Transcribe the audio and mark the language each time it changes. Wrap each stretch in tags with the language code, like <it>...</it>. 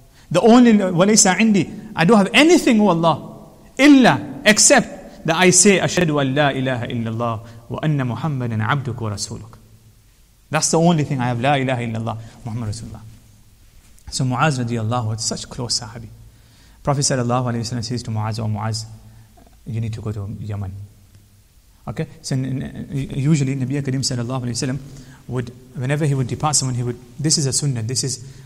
<en>The only,</en> <ar>wa laysa indi,</ar> <en>I don't have anything, wallah.</en> <ar>Illa,</ar> <en>except that I say,</en> <ar>أَشْهَدُ أَنْ لَا إِلَهَ إِلَّا اللَّهُ وَأَنَّ مُحَمَّدًا عَبْدُكُ وَرَسُولُكُ.</ar> <en>That's the only thing I have,</en> <ar>لا إله إلا الله محمد رسول الله.</ar> <en>So Muaz radiallahu, it's such close sahabi. Prophet sallallahu alayhi wa sallam says to Muaz, oh Muaz, you need to go to Yemen. Okay, so usually Nabiya Kareem sallallahu alayhi wa sallam would, whenever he would depart someone, he would, this is a sunnah, this is</en>